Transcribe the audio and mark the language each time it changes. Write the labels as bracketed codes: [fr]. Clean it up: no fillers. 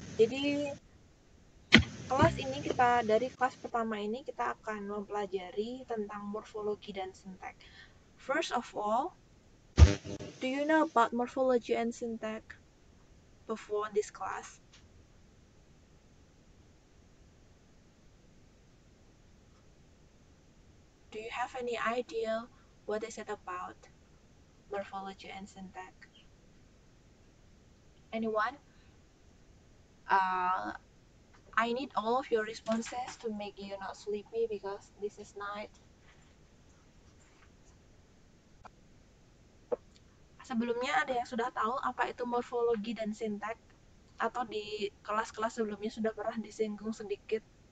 [id] Jadi, kelas ini kita dari kelas pertama ini kita akan mempelajari tentang morfologi dan syntax. [en] First of all, do you know about morphology and syntax before this class? Do you have any idea what is it about, morphology and syntax? Anyone? I need all of your responses to make you not sleepy because this is night. [id] Sebelumnya ada yang sudah tahu apa itu morfologi dan sintaks atau di kelas-kelas sebelumnya sudah pernah disinggung sedikit?